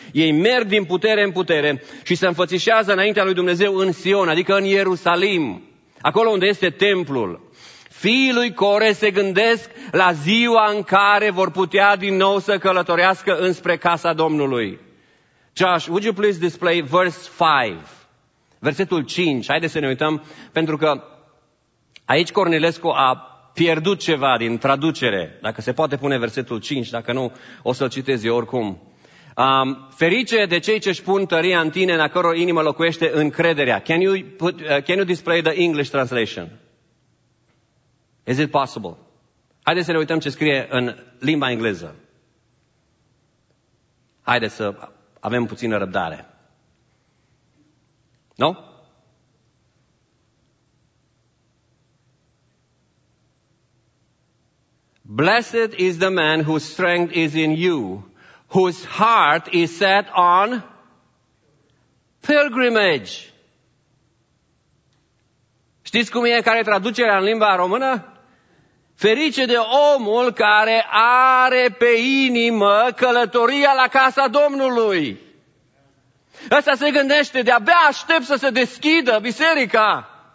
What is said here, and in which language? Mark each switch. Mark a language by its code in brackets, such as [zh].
[ro] Ei merg din putere în putere și se înfățișează înaintea lui Dumnezeu în Sion, adică în Ierusalim, acolo unde este templul. Fiii lui Core se gândesc la ziua în care vor putea din nou să călătorească înspre casa Domnului. [en] Josh, would you please display verse 5? [ro] Versetul 5, haideți să ne uităm, pentru că aici Cornilescu a pierdut ceva din traducere. Dacă se poate pune versetul 5, dacă nu, o să-l citez eu oricum. Ferice de cei ce-și pun tăria în tine, în a căror inimă locuiește încrederea. [en] Can you display the English translation? Is it possible? [ro] Haideți să ne uităm ce scrie în limba engleză. Haideți să avem puțină răbdare. [en] No? Blessed is the man whose strength is in you, whose heart is set on pilgrimage. [ro] Știți cum e care traducerea în limba română? Ferice de omul care are pe inimă călătoria la casa Domnului. Ăsta se gândește, de-abia aștept să se deschidă biserica.